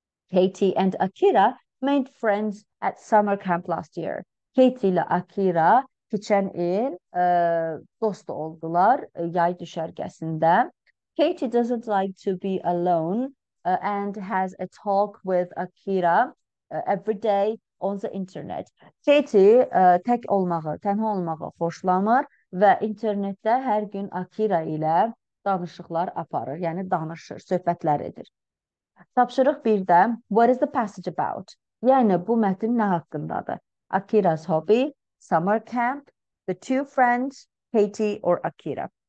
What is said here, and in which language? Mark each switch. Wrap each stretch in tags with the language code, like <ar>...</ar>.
<en>Katie and Akira made friends at summer camp last year.</en> <az>Katie ile Akira geçen il dost oldular yay düşergesinde.</az> <en>Katie doesn't like to be alone and has a talk with Akira every day on the internet.</en> <az>Katie tek olmağı, tənha olmağı xoşlamır və internetdə hər gün Akira ilə danışıqlar aparır, yəni danışır, söhbətlər edir. Tapşırıq bir də,</az> <en>what is the passage about?</en> <az>Yəni, bu mətn nə haqqındadır?</az> <en>Akira's hobby, summer camp, the two friends, Katie or Akira?</en>